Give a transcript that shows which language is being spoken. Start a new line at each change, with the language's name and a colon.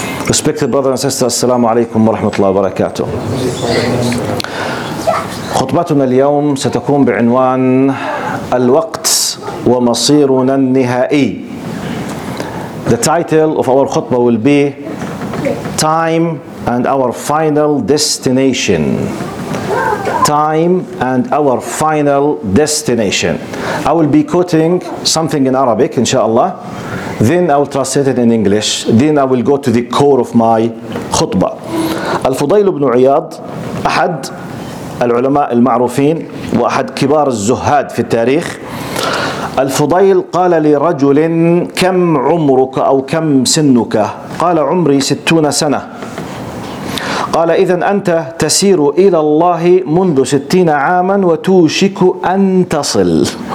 English: Respected brothers and sisters,
Arabic: السلام عليكم ورحمة الله وبركاته خطبتنا اليوم ستكون بعنوان الوقت ومصيرنا النهائي
English: The title of our khutbah will be Time and Our Final Destination. Time and Our Final Destination. I will be quoting something in Arabic, inshallah. Then I will translate it in English. Then I will go to the core of my khutbah.
Arabic: Al-Fudayl ibn Iyad, أحد العلماء المعروفين وأحد كبار الزهاد في التاريخ. الفضيل قال لرجل كم عمرك أو كم سنك قال عمري 60 سنة قال إذن أنت تسير إلى الله منذ 60 عاما وتوشك أن تصل